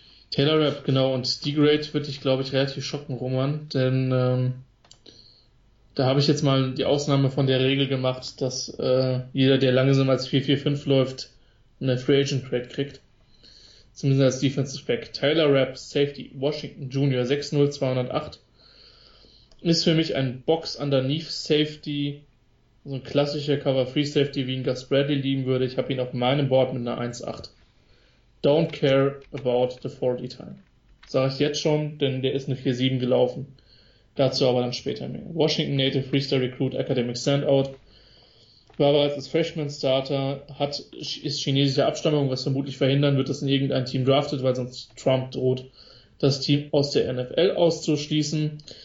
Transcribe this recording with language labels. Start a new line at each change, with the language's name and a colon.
German: Taylor Rapp, genau, und die Grade wird dich, glaube ich, relativ schocken, Roman, denn da habe ich jetzt mal die Ausnahme von der Regel gemacht, dass jeder, der langsamer als 4-4-5 läuft, eine Free Agent Grade kriegt. Zumindest als Defensive Back. Taylor Rapp, Safety, Washington Junior, 6-0-208, ist für mich ein Box Underneath Safety, so ein klassischer Cover Free Safety, wie ihn Gus Bradley lieben würde. Ich habe ihn auf meinem Board mit einer 1-8.
English: Don't care about the 40 time.
German: Sage ich jetzt schon, denn der ist eine 4-7 gelaufen. Dazu aber dann später mehr. Washington Native, Three-Star Recruit, Academic Standout. War bereits als Freshman Starter, ist chinesischer Abstammung, was vermutlich verhindern wird, dass in irgendein Team draftet, weil sonst Trump droht, das Team aus der NFL auszuschließen.